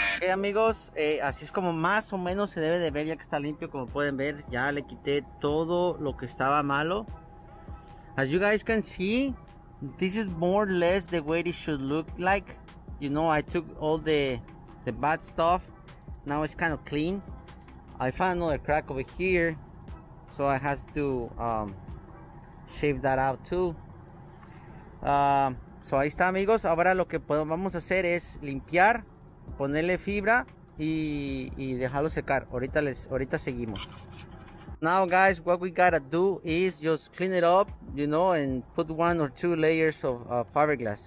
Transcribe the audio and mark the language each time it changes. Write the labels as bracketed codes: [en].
[es] Amigos, así es como más o menos se debe de ver, ya que está limpio. Como pueden ver, ya le quité todo lo que estaba malo. [en] As you guys can see, this is more or less the way it should look like. You know, I took all the bad stuff. Now it's kind of clean. I found another crack over here, so I have to shave that out too. [es] So ahí está, amigos. Ahora lo que vamos a hacer es limpiar, ponerle fibra y dejarlo secar. Ahorita seguimos. [en] Now guys, what we gotta do is just clean it up, you know, and put one or two layers of fiberglass.